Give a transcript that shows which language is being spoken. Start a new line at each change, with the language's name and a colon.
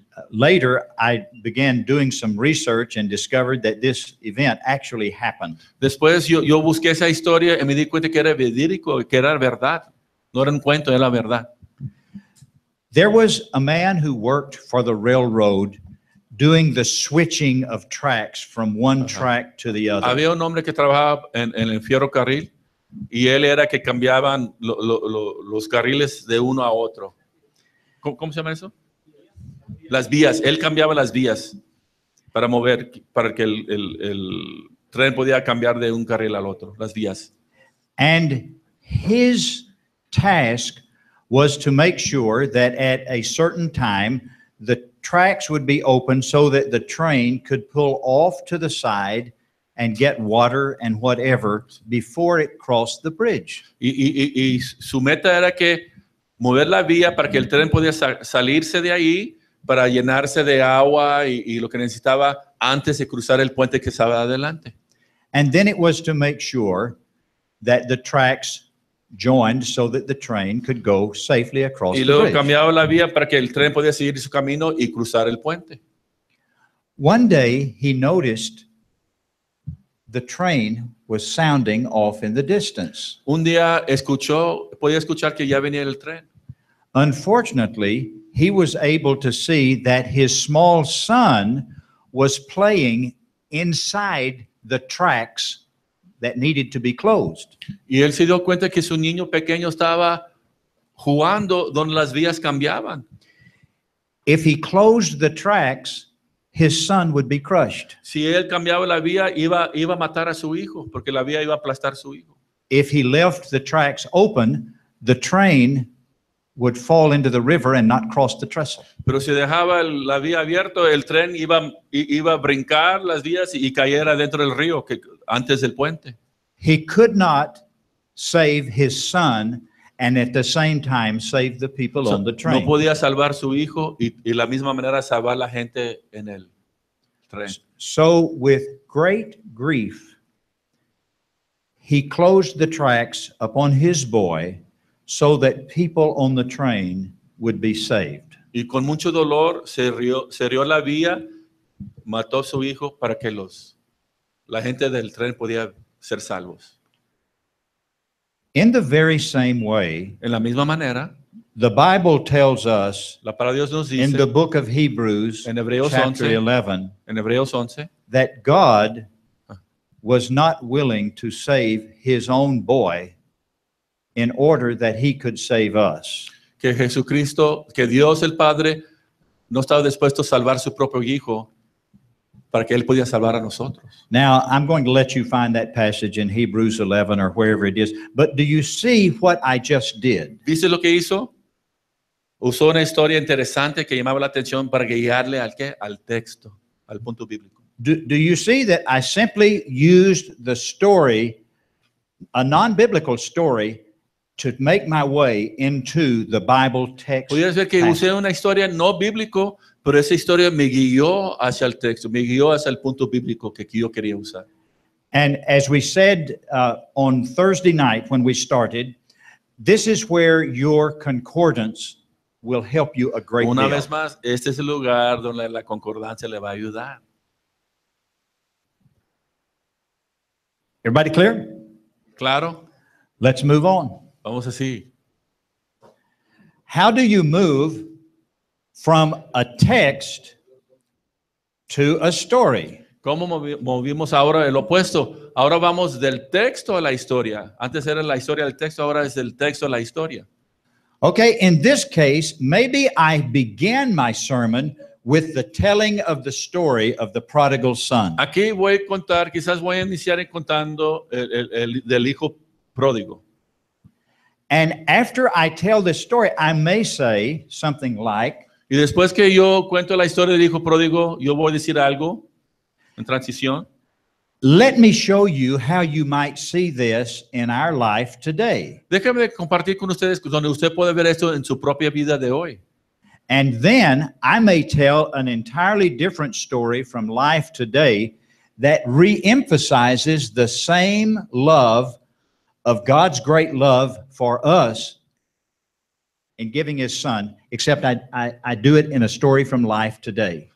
English: Later, I began doing some research and discovered that this event actually happened.
Spanish: Después, yo busqué esa historia y me di cuenta que era verídico, que era verdad. No era un cuento, era la verdad.
English: There was a man who worked for the railroad doing the switching of tracks from one track to the other.
Spanish: Había un hombre que trabajaba en el ferrocarril y él era que cambiaban los carriles de uno a otro. ¿Cómo se llama eso? Las vías, él cambiaba las vías para mover, para que el tren podía cambiar de un carril al otro, las vías.
English: And his task was to make sure that at a certain time the tracks would be open so that the train could pull off to the side and get water and whatever before it crossed the bridge.
Spanish: Y su meta era que mover la vía para que el tren podía salirse de ahí para llenarse de agua y lo que necesitaba antes de cruzar el puente que estaba adelante.
English: And then it was to make sure that the tracks joined so that the train could go safely across the bridge.
Spanish: Y luego cambiaba la vía para que el tren podía seguir su camino y cruzar el puente.
English: One day he noticed the train was sounding off in the distance.
Spanish: Un día podía escuchar que ya venía el tren.
English: Unfortunately, he was able to see that his small son was playing inside the tracks that needed to be closed.
Spanish: Y él se dio cuenta que su niño pequeño estaba jugando donde las vías cambiaban.
English: If he closed the tracks, his son would be crushed.
Spanish: Si él cambiaba la vía, iba a matar a su hijo, porque la vía iba a aplastar a su hijo.
English: If he left the tracks open, the train would fall into the river and not cross the trestle.
Spanish: Pero si dejaba la vía abierta, el tren iba a brincar las vías y cayera dentro del río que antes del puente.
English: He could not save his son and at the same time save the people on the train.
Spanish: No podía salvar su hijo y la misma manera salvar la gente en el tren.
English: So with great grief, he closed the tracks upon his boy so that people on the train would be saved.
Spanish: Y con mucho dolor se rió la vía, mató a su hijo para que la gente del tren podía ser salvos.
English: In the very same way,
Spanish: en la misma manera,
English: the Bible tells us,
Spanish: la palabra de Dios nos dice,
English: in the book of Hebrews,
Spanish: en Hebreos
English: chapter 11,
Spanish: 11, en Hebreos 11,
English: that God was not willing to save his own boy in order that he could save us.
Spanish: Que Jesucristo, que Dios el Padre, no estaba dispuesto a salvar su propio hijo para que él pudiera salvar a nosotros.
English: Now, I'm going to let you find that passage in Hebrews 11 or wherever it is. But do you see what I just did?
Spanish: ¿Viste lo que hizo? usó una historia interesante que llamaba la atención para guiarle al qué, al texto, al punto bíblico.
English: Do you see that I simply used the story, a non-biblical story, to make my way into the Bible text?
Spanish: Pudieras ver que usé una historia no bíblico, pero esa historia me guió hacia el texto, me guió hacia el punto bíblico que yo quería usar.
English: And as we said on Thursday night when we started, this is where your concordance will help you a great deal.
Spanish: Una vez más, este es el lugar donde la concordancia le va a ayudar.
English: Everybody clear?
Spanish: Claro.
English: Let's move on.
Spanish: Vamos así.
English: How do you move from a text to a story?
Spanish: ¿Cómo movimos ahora el opuesto? Ahora vamos del texto a la historia. Antes era la historia del texto, ahora es del texto a la historia.
English: Okay, in this case, maybe I began my sermon with the telling of the story of the prodigal son.
Spanish: Aquí voy a contar, quizás voy a iniciar contando del hijo pródigo.
English: And after I tell this story, I may say something like,
Spanish: y después que yo cuento la historia del hijo pródigo, yo voy a decir algo en transición.
English: Let me show you how you might see this in our life today.
Spanish: Déjame compartir con ustedes donde usted puede ver esto en su propia vida de hoy.
English: And then I may tell an entirely different story from life today that re-emphasizes the same love of God's great love for us in giving his son, except I do it in a story from life today.